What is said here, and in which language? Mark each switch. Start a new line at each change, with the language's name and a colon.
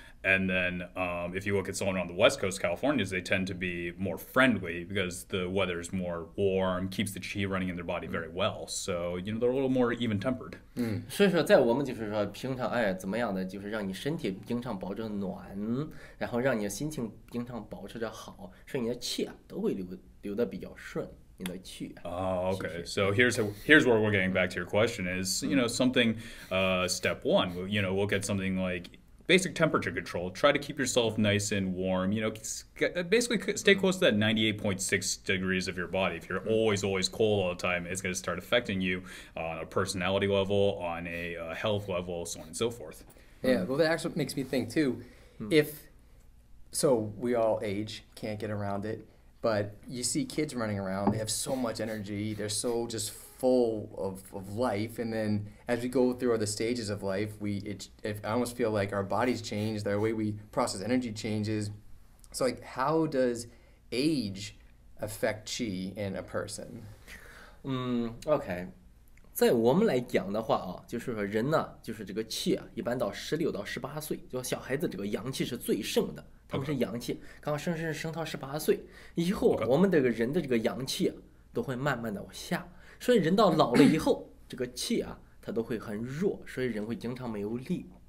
English: And then if you look at someone on the West Coast, California, they tend to be more friendly because the weather is more warm, keeps the chi running in their body very well. So, you know, they're a little more even tempered.
Chinese: 所以说在我们就是说平常哎怎么样的就是让你身体经常保持暖然后让你心情经常保持着好所以你的气啊都会 流得比较顺。
English: Oh, okay. So here's where we're getting back to your question is, you know, something, step one, you know, look at something like basic temperature control. Try to keep yourself nice and warm. You know, basically stay close to that 98.6 degrees of your body. If you're always, always cold all the time, it's going to start affecting you on a personality level, on a health level, so on and so forth. Yeah, well, that actually makes me think, too, if, so we all age, can't get around it, but you see kids running around, they have so much energy, they're so just full of life, and then as we go through the stages of life, I almost feel like our bodies change, the way we process energy changes. So like, how does age affect qi in a person? Okay.
Chinese: 在我们来讲的话啊，就是说人呢，就是这个气啊，一般到16到18岁，就小孩子这个阳气是最盛的，他们是阳气，刚升到18岁以后，我们这个人的这个阳气、啊、都会慢慢的往下，所以人到老了以后，这个气啊，它都会很弱，所以人会经常没有力。